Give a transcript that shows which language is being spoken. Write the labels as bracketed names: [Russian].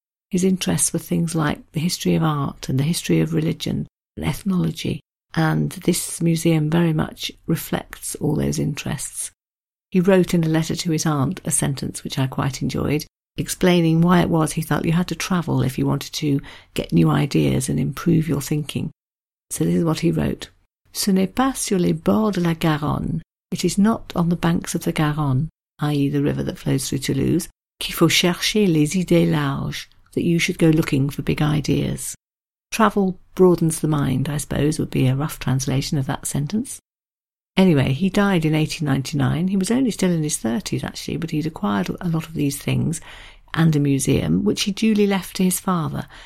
[English] His interests were things like the history of art and the history of religion and ethnology, and this museum very much reflects all those interests. He wrote in a letter to his aunt a sentence which I quite enjoyed, explaining why it was he thought you had to travel if you wanted to get new ideas and improve your thinking. So this is what he wrote. [French] Ce n'est pas sur les bords de la Garonne. [English] It is not on the banks of the Garonne, i.e. the river that flows through Toulouse, [French] qu'il faut chercher les idées larges, [English] that you should go looking for big ideas. Travel broadens the mind, I suppose, would be a rough translation of that sentence. Anyway, he died in 1899. He was only still in his 30s, actually, but he'd acquired a lot of these things and a museum, which he duly left to his father.